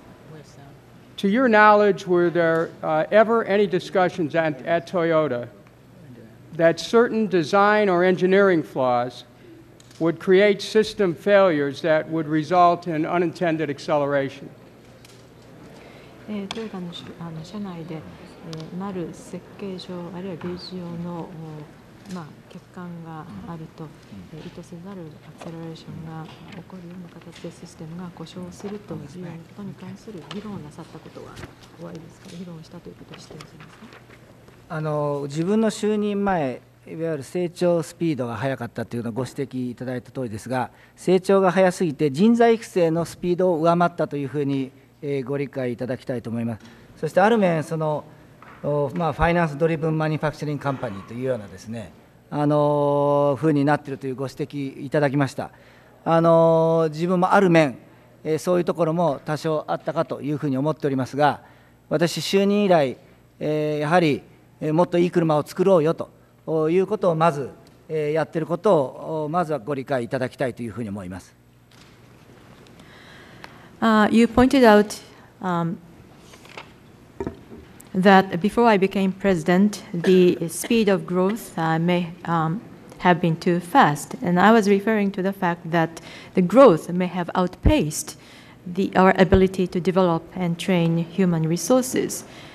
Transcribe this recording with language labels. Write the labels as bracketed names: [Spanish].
[English] Where's sound? To your knowledge, were there ever any discussions at Toyota that certain design or engineering flaws would create system failures that would result in unintended acceleration? [Japanese] トヨタの社内で、なる設計上あるいは技術上の、まあ、欠陥があると、意図せざるアクセラレーションが起こるような形でシステムが故障するということに関する議論をなさったことはおありですか、議論したということを知っておりますか。自分の就任前、いわゆる成長スピードが速かったというのをご指摘いただいたとおりですが、成長が速すぎて人材育成のスピードを上回ったというふうにご理解いただきたいと思います。そしてある面、その、まあ、ファイナンスドリブンマニファクチャリングカンパニーというようなですね、風になっているというご指摘いただきました。自分もある面、そういうところも多少あったかというふうに思っておりますが、私就任以来、やはりもっといい車を作ろうよということをまず、やっていることをまずはご理解いただきたいというふうに思います。 [English] You pointed out that before I became president, the speed of growth may have been too fast. And I was referring to the fact that the growth may have outpaced our ability to develop and train human resources.